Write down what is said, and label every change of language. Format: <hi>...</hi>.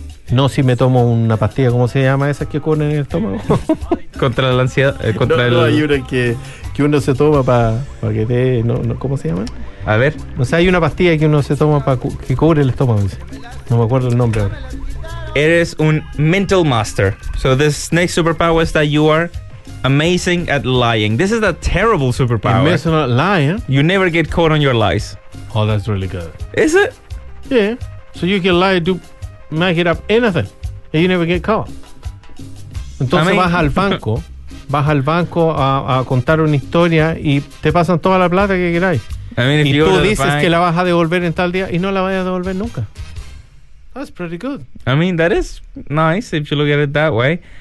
<es>No, si me tomo una pastilla, ¿cómo se llama esa que cubren en el estómago? Contra la ansiedad. Contra no, el... no, hay una que uno se toma para pa que te... No, no, ¿cómo se llama? A ver. O sea, hay una pastilla que uno se toma para que cubre el estómago. Dice. No me acuerdo el nombre ahora. Eres un mental master.</es> <en>So this next superpower is that you are amazing at lying. This is a terrible superpower. Amazing at lying? You never get caught on your lies. Oh, that's really good. Is it? Yeah. So you can lie to... Make it up anything and you never get caught.</en> <es>Entonces,</es> <en>I mean,</en> <es>vas al banco a contar una historia y te pasan toda la plata que queráis.</es> <en>I mean,</en> <es>y tú dices que la vas a devolver en tal día y no la vas a devolver nunca.</es> <en>That's pretty good. I mean, that is nice if you look at it that way.</en>